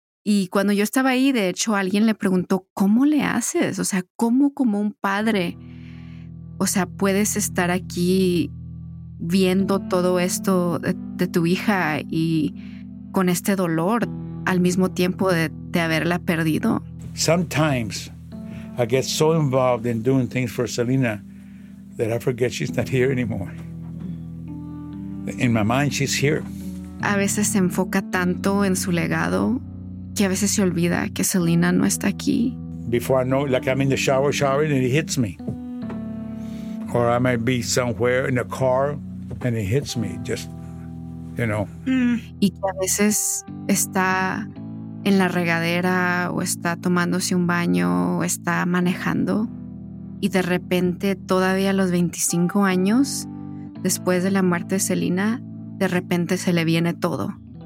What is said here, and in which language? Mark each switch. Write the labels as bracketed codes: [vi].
[es] Y cuando yo estaba ahí, de hecho, alguien le preguntó, ¿cómo le haces? O sea, ¿cómo como un padre? O sea, ¿puedes estar aquí viendo todo esto de tu hija y con este dolor al mismo tiempo de haberla perdido? [en] Sometimes I get so involved in doing things for Selena that I forget she's not here anymore. In my mind, she's here. [es] A veces se enfoca tanto en su legado que a veces se olvida que Selena no está aquí. [en] Before I know, like I'm in the shower showering and it hits me. Or I might be somewhere in a car and it hits me, just, you know. [es] Y que a veces está en la regadera o está tomándose un baño o está manejando y de repente todavía a los 25 años después de la muerte de Selena, de repente se le viene todo.